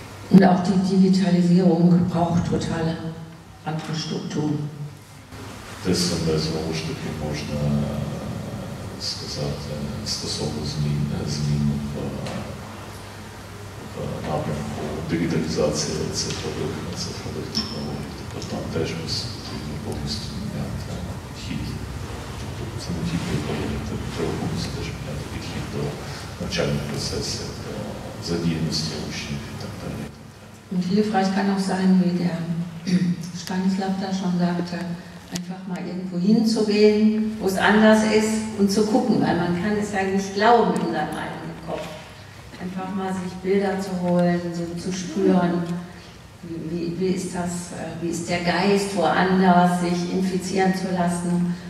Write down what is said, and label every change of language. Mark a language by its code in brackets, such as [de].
[de] Und auch die Digitalisierung braucht totale andere Strukturen. [uk] Те саме, знову ж таки, можна сказати стосовно змін в напрямку дигіталізації цифрових технологій. Тобто там теж потрібно повністю міняти підхід. Тобто це не тільки економіка, треба повністю теж міняти підхід до навчальних процесів, до задіяності учнів і так далі. [de] Und hilfreich kann auch sein, wie der Stanislav da schon sagte, einfach mal irgendwo hinzugehen, wo es anders ist und zu gucken, weil man kann es ja nicht glauben in seinem eigenen Kopf. Einfach mal sich Bilder zu holen, so zu spüren, wie ist das, wie ist der Geist woanders, sich infizieren zu lassen.